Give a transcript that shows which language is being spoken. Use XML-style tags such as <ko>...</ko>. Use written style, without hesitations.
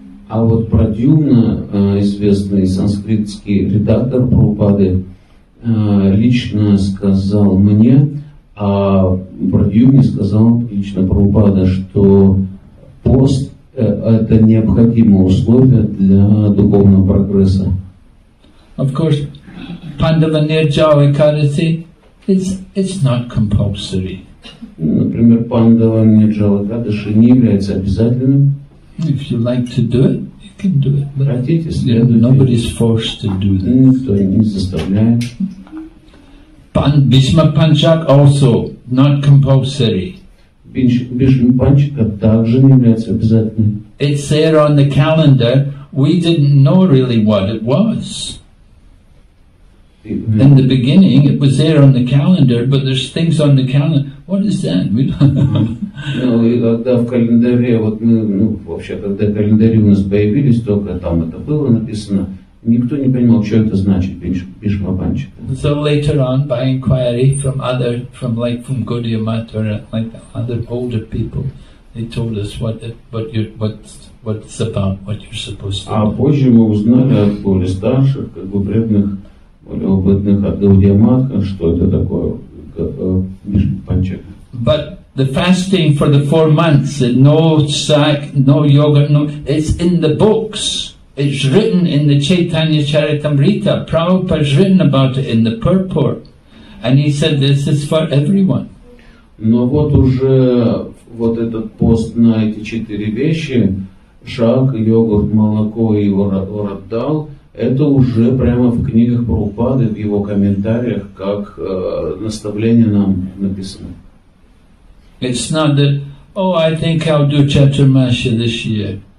<ru>А вот Prajumna, известный санскритский редактор Прабхупады, лично сказал мне, а Prajumna сказал лично Прабхупада, что пост это необходимое условие для духовного прогресса.</ru> <en>Of course, Pandava Nirjal Ekadasi, it's not compulsory.</en> <ru>Например, Pandava Nirjal Ekadasi не является обязательным.</ru> <en>If you like to do it, you can do it. But</en> <ru>хотите, следуйте.</ru> <en>Nobody's forced to do this.</en> <ru>Никто не заставляет.</ru> <en>Bhishma Panchak also not compulsory.</en> <ru>Бхишмапанчика также не является обязательным.</ru> <en>It said on the calendar, we didn't know really what it was. In the beginning, it was there on the calendar, but there's things on the calendar. What is that? We don't know.</en> <ru>Когда в календаре, вот мы, ну, вообще, когда календари у нас появились, только там это было написано, никто не понимал, что это значит, Бхишмапанчика.</ru> <en>So later on, by inquiry from other, from Gaudiya Math or like other older people, they told us what's about, what you're supposed to do.</en> <ru>А позже мы узнали от более старших, как бы преданных, более опытных от Гаудия Матха, что это такое Бхишмапанчика.</ru> <en>But the fasting for the 4 months, no sack, no yogurt, no, it's in the books. It's written in the Chaitanya Charitamrita. Prabhupada's written about it in the purport. And he said this is for everyone.</en> <ru>Но вот уже вот этот пост на эти четыре вещи, шак, йогурт, молоко и ураддал, это уже прямо в книгах Прабхупады, в его комментариях, как наставление нам написано.</ru> <en>It's not that, oh, I think I'll do Chaturmasya this year.</en>